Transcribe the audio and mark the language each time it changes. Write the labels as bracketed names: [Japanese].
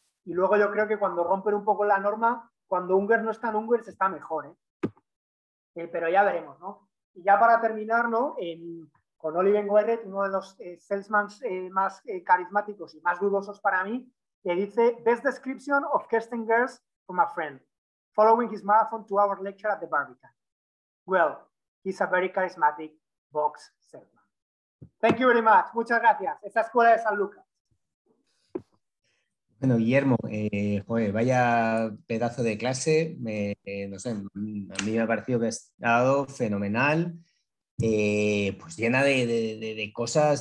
[Spanish] Y luego yo creo que cuando rompen un poco la norma, cuando Ungers no está en Ungers está mejor, ¿eh? Pero ya veremos, ¿no? Y ya para terminar, ¿no? Con Oliver Goerret, uno de los salesmen más carismáticos y más dudosos para mí, le dice: [English] Best description of Kesten Girls from a friend. Following his marathon to our lecture at the Barbican. Well, he's a very charismatic box salesman. Thank you very much. [Spanish] Muchas gracias. Esta escuela de San Lucas. Bueno, Guillermo, vaya pedazo de clase. No sé, a mí me ha parecido que ha estado fenomenal. Pues llena de cosas.